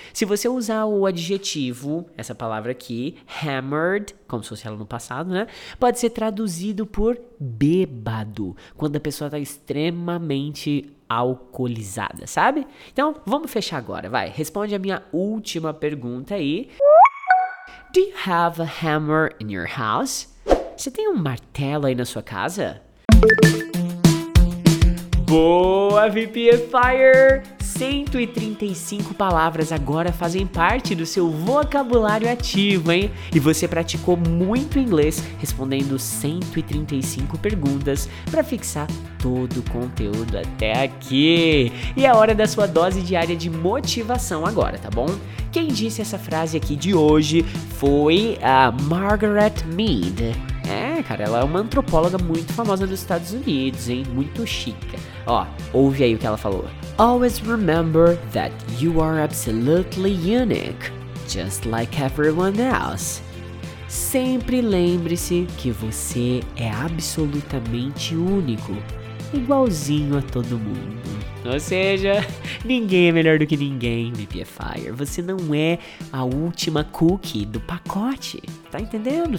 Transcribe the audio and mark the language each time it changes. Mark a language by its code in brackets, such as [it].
[pt] Se você usar o adjetivo, essa palavra aqui, hammered, como se fosse ela no passado, né, pode ser traduzido por bêbado, quando a pessoa está extremamente alcoolizada, sabe? Então, vamos fechar agora, vai. Responde a minha última pergunta aí. [en] Do you have a hammer in your house? [pt] Você tem um martelo aí na sua casa? Boa, VP Fire! 135 palavras agora fazem parte do seu vocabulário ativo, hein? E você praticou muito inglês respondendo 135 perguntas para fixar todo o conteúdo até aqui. E é hora da sua dose diária de motivação agora, tá bom? Quem disse essa frase aqui de hoje foi a Margaret Mead. Cara, ela é uma antropóloga muito famosa nos Estados Unidos, hein? Muito chique. Ó, ouve aí o que ela falou. [en] Always remember that you are absolutely unique, just like everyone else. [pt] Sempre lembre-se que você é absolutamente único, igualzinho a todo mundo. Ou seja, ninguém é melhor do que ninguém, VPFire. Você não é a última cookie do pacote, tá entendendo?